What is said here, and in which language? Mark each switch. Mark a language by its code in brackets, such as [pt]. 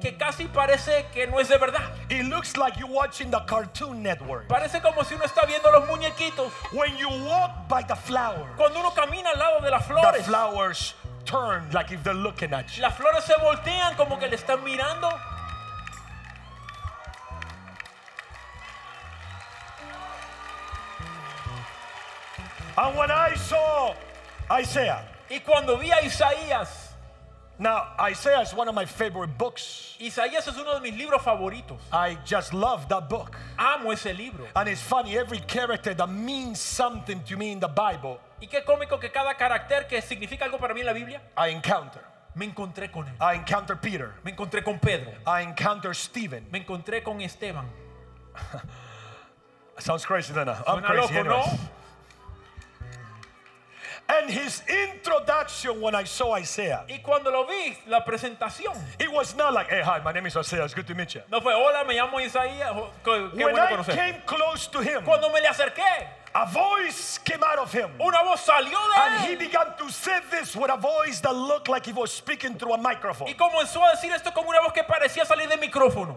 [es] Que casi parece que no es de verdad. [en] It looks like you're watching the Cartoon Network. [es] Parece como si uno está viendo los muñequitos. [en] When you walk by the flowers. [es] Cuando uno camina al lado de las flores. [en] The flowers turn like if they're looking at you. [es] Las flores se voltean como que le están mirando. [en] And when I saw Isaiah. [es] Y cuando vi a Isaías. [en] Now, Isaiah is one of my favorite books. [es] Isaías es uno de mis libros favoritos. [en] I just love that book. [es] Amo ese libro. [en] And it's funny, every character that means something to me in the Bible. [es] Y qué cómico que cada carácter que significa algo para mí en la Biblia. [en] I encounter. [es] Me encontré con él. [en] I encounter Peter. [es] Me encontré con Pedro. [en] I encounter Stephen. [es] Me encontré con Esteban. [en] Sounds crazy, doesn't it? I'm crazy, [es] loco, ¿no? [en] And his introduction when I saw Isaiah. [es] Y cuando lo vi, la presentación. [en] It was not like, hey, hi, my name is Isaiah. It's good to meet you. [es] No fue, hola, me llamo Isaías. [en] When I came close to him. [es] Cuando me le acerqué. [en] A voice came out of him. [es] Una voz salió de él. [en] And he began to say this with a voice that looked like he was speaking through a microphone. [es] Y comenzó a decir esto con una voz que parecía salir del micrófono.